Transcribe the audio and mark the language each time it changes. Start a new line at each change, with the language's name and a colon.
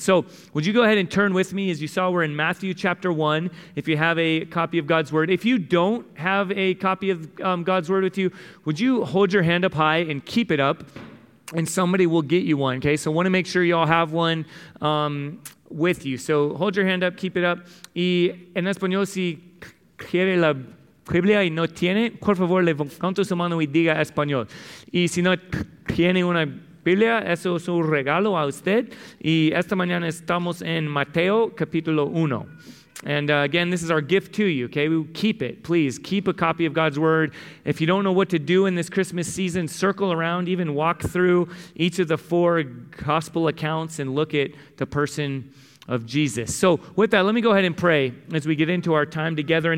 English: So would you go ahead and turn with me? As you saw, we're in Matthew chapter 1, if you have a copy of God's Word. If you don't have a copy of God's Word with you, would you hold your hand up high and keep it up, and somebody will get you one, okay? So I want to make sure you all have one with you. So hold your hand up, keep it up.
Spanish: Y en español, si quiere la Biblia y no tiene, por favor, levanta su mano y diga español. Y si no tiene una Biblia, eso es un regalo a usted. Y esta mañana estamos en Mateo, capítulo 1.
English: And again, this is our gift to you, okay? We keep it, please. Keep a copy of God's Word. If you don't know what to do in this Christmas season, circle around, even walk through each of the four gospel accounts and look at the person of Jesus. So with that, let me go ahead and pray as we get into our time together.